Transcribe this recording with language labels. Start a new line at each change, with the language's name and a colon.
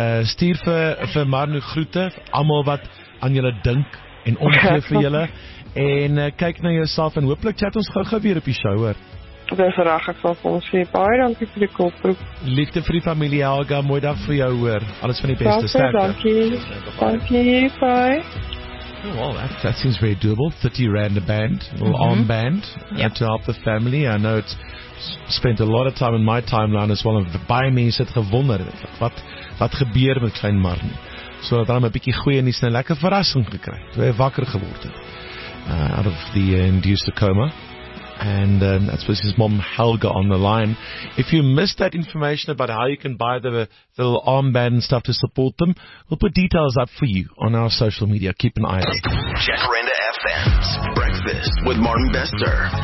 Afrikaans: Stuur vir Marno groete, almal wat aan julle dink en omgee vir julle. En kyk na jouself en hooplik chat ons gou weer op die show, hoor. Dis reg, ek sal vir ons sê, baie dankie vir die koproep. Liefde vir die familie Helga, mooi dag vir jou, hoor. Alles van die beste, sterkte. Dankie, bye.
English: Oh, well, that seems very doable. R30 a band, or armband, to help the family. I know it's spent a lot of time in my timeline as well.
Afrikaans: And baie mense het gewonder wat gebeur met klein Marnie. So dat hulle 'n bietjie goeie nuus en 'n lekker verrassing gekry. So hy wakker geword het.
English: Out of the induced coma. And that's with his mom Helga on the line. If you missed that information about how you can buy the little armband and stuff to support them, we'll put details up for you on our social media. Keep an eye out. Check Renda FM's Breakfast with Martin Bester.